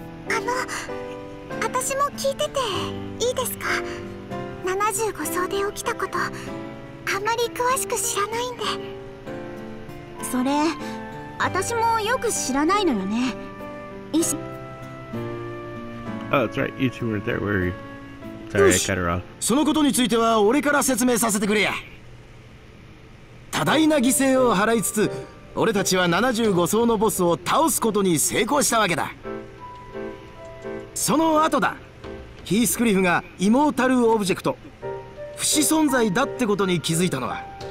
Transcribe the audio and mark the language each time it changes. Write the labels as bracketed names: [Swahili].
[Japanese] あの私も聞いてていいですか。 75層で起きたことあんまり詳しく知らないんで。それ私もよく知らないのよね。いし、 [English] oh, that's right. You two weren't there, were you? Sorry, I cut her off. [Japanese] そのことについては俺から説明させてくれや。多大な犠牲を払いつつ、俺たちは75層のボスを倒すことに成功したわけだ。その後だ、ヒースクリフがイモータルオブジェクト、不死存在だってことに気づいたのは。